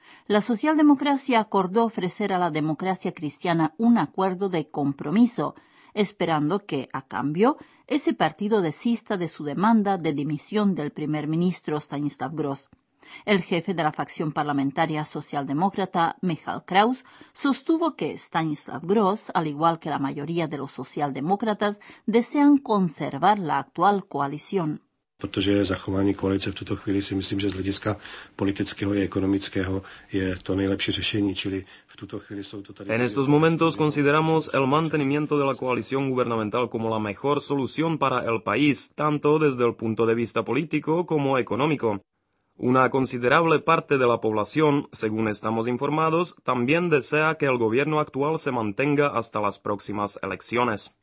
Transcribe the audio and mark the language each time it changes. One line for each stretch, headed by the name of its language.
Spanish: La socialdemocracia acordó ofrecer a la democracia cristiana un acuerdo de compromiso, esperando que, a cambio, ese partido desista de su demanda de dimisión del primer ministro Stanislav Gross. El jefe de la facción parlamentaria socialdemócrata, Michal Kraus, sostuvo que Stanislav Gross, al igual que la mayoría de los socialdemócratas, desean conservar la actual coalición.
Czech: Protože zachování koalice v tuto chvíli si myslím, že z hlediska politického i ekonomického je to nejlepší řešení, čili v tuto chvíli jsou to tady.
Spanish: En estos momentos consideramos el mantenimiento de la coalición gubernamental como la mejor solución para el país, tanto desde el punto de vista político como económico. Una considerable parte de la población, según estamos informados, también desea que el gobierno actual se mantenga hasta las próximas elecciones.